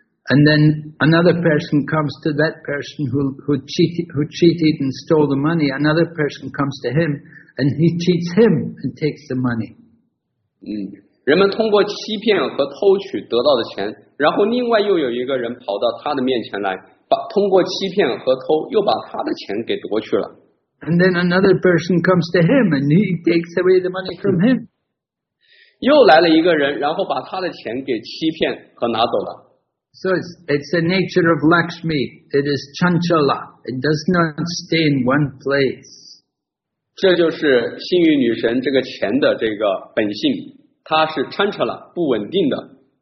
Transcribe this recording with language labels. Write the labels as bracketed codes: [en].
[en] And then another person comes to that person who cheated and stole the money. Another person comes to him And he cheats him and takes the money. [zh] 人们通过欺骗和偷取得到的钱，然后另外又有一个人跑到他的面前来，把通过欺骗和偷又把他的钱给夺去了。 [en] And then another person comes to him and he takes away the money from him. [zh] 又来了一个人，然后把他的钱给欺骗和拿走了。 [en] So it's the nature of Lakshmi. It is chanchala. It does not stay in one place. [zh] 这就是幸运女神这个钱的这个本性，它是 chanchala， 不稳定的。